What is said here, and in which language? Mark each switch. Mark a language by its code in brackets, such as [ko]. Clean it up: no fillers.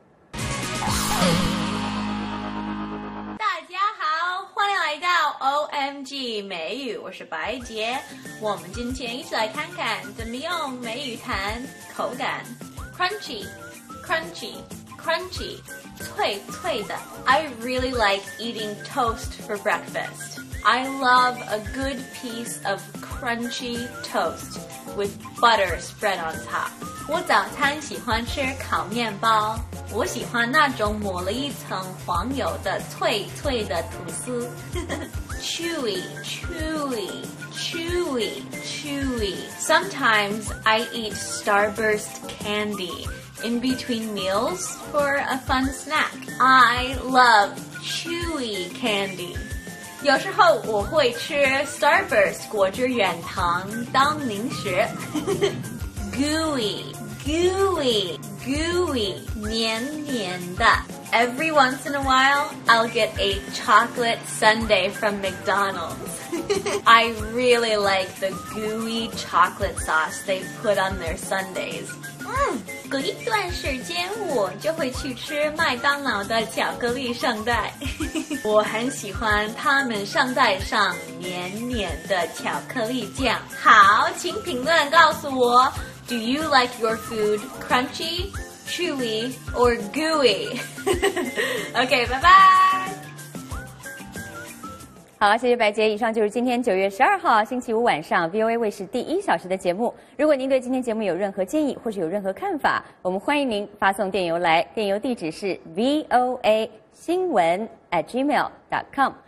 [zh] 大家好，欢迎来到 OMG 美语，我是白洁。我们今天一起来看看怎么用美语谈口感。 [en] Crunchy Crunchy Crunchy [zh] 脆脆的。 [en] I really like eating toast for breakfastI love a good piece of crunchy toast with butter spread on top. [zh] 我早餐喜欢吃烤面包，我喜欢那种抹了一层黄油的脆脆的吐司。 [en] Chewy, chewy, chewy, chewy. Sometimes I eat Starburst candy in between meals for a fun snack. I love chewy candy. [zh] 有时候我会吃 Starburst 果汁软糖当零食。 [en] Gooey, gooey, gooey, [zh] 黏黏的。 [en] Every once in a while, I'll get a chocolate sundae from McDonald's. I really like the gooey chocolate sauce they put on their sundaes. [zh] 嗯，隔一段时间我就会去吃麦当劳的巧克力圣代。我很喜欢他们圣代上黏黏的巧克力酱。好，请评论告诉我 [en] Do you like your food crunchy, chewy, or gooey? Okay, bye bye. [zh] 好，谢谢白洁。以上就是今天9月12号星期五晚上 VOA 卫视第一小时的节目。如果您对今天节目有任何建议或是有任何看法，我们欢迎您发送电邮来，电邮地址是 voa.gmail.com。